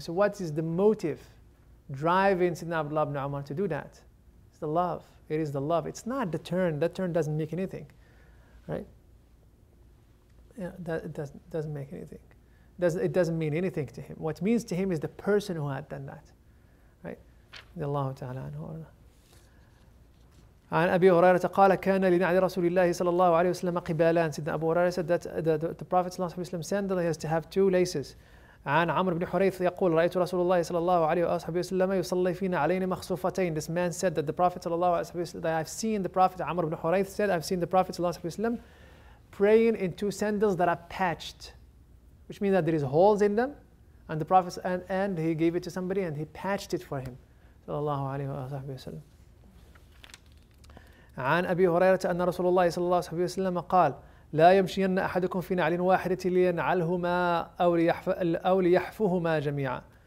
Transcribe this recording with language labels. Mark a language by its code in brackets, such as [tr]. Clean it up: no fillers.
[en] So what is the motive driving Sidna Abdullah ibn Umar to do that? It's the love. It is the love. It's not the turn. That turn doesn't make anything. Right? Yeah, it doesn't make anything. It doesn't mean anything to him. What means to him is the person who had done that. [ar] Right? Allahu ta'ala anhu. عن أبي هريرة قال كان لنعل رسول الله صلى الله عليه وسلم قبالان. [en] سيدنا أبو هريرة said that the Prophet صلى الله عليه وسلم sandal, he has to have two laces. [ar] عن عمرو بن حريث يقول رأيت رسول الله صلى الله عليه وسلم يصلي فينا علينا مخصوفتين. [en] This man said that the Prophet صلى الله عليه وسلم, that I've seen the Prophet, عمرو بن حريث said, I've seen the Prophet صلى الله عليه وسلم praying in two sandals that are patched, which means that there is holes in them, and the Prophet and he gave it to somebody and he patched it for him. [ar] Sallallahu alayhi wa sallam. عن أبي هريرة أن رسول الله صلى الله عليه وسلم قال لا يمشين أحدكم في نعل واحدة لينعلهما أو ليحفهما جميعا.